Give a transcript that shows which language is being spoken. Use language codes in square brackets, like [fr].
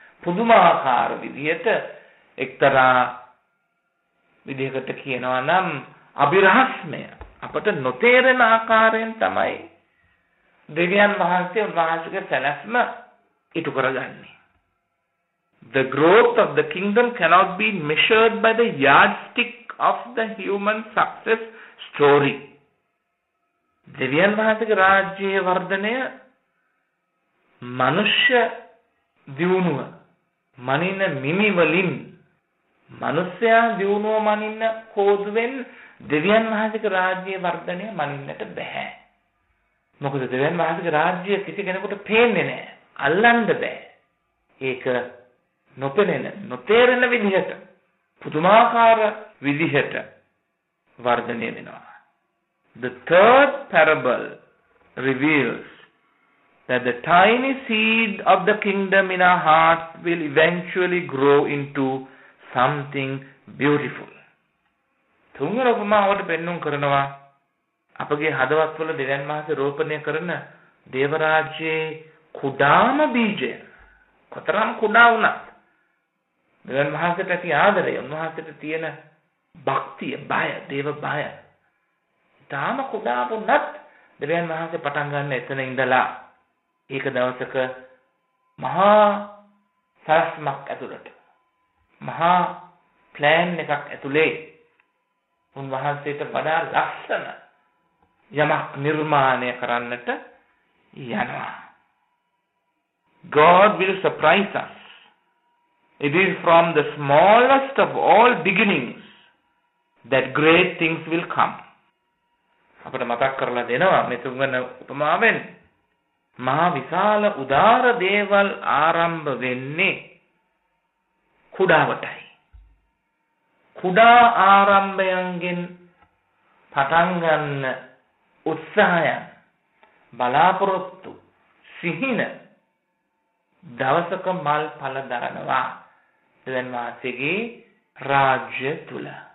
[si] පුදුමාකාර විදිහට එක්තරා විදිහකට කියනවා නම් අභිරහස්මය, අපට නොතේරෙන ආකාරයෙන් තමයි දෙවියන් වහන්සේ උන්වහන්සේගේ සැලැස්ම ඉටු කරගන්නේ. [en] The growth of the kingdom cannot be measured by the yardstick of the human success story. [si] දෙවියන් වහන්සේගේ රාජ්‍යයේ වර්ධනය මනුෂ්‍ය දියුණුව මනින මිමිවලින්, මනුෂ්‍යයා දියුණුව මනින්න කෝදුවෙන් දෙවියන් වහන්සේගේ රාජ්‍ය වර්ධනය මනින්නට බෑ. මොකද දෙවියන් වහන්සේගේ රාජ්‍ය කිසි කෙනෙකුට පේන්නේ නෑ, අල්ලන්න බෑ. ඒක නොපෙනෙන, නොතේරෙන විදිහට, පුදුමාකාර විදිහට වර්ධනය වෙනවා. [en] The third parable reveals that the tiny seed of the kingdom in our heart will eventually grow into something beautiful. [si] තුන්වෙනි උපමාවට පෙන්නුම් කරනවා අපගේ හදවත්වල දෙවියන් වහන්සේ රෝපණය කරන දේවරාජ්‍යයේ කුඩාම බීජය. කොතරම් කුඩා වුණත් දෙවියන් වහන්සේට ඇති ආදරය, උන්වහන්සේට තියෙන භක්තිය, බය, දේව බය, ඉතාම කුඩා වුණත් දෙවියන් වහන්සේ පටන් ගන්න එතන ඉඳලා ඒක දවසක මහා සරස්මක් ඇතුළට, මහා ප්ලෑන් එකක් ඇතුළේ උන්වහන්සේට වඩා ලස්සන යමක් නිර්මාණය කරන්නට යනවා. [en] God will surprise us. It is from the smallest of all beginnings that great things will come. [si] අපිට මතක් කරලා දෙනවා මේ තුන්වෙනි උපමාවෙන්. මහා විශාල උදාර දේවල් ආරම්භ වෙන්නේ කුඩාවටයි. කුඩා ආරම්භයන්ගෙන් පටන් ගන්න උත්සාහය, බලාපොරොත්තු, සිහින දවසක මල් පල දරනවා දෙවන් වහන්සේගේ රාජ්‍ය තුල.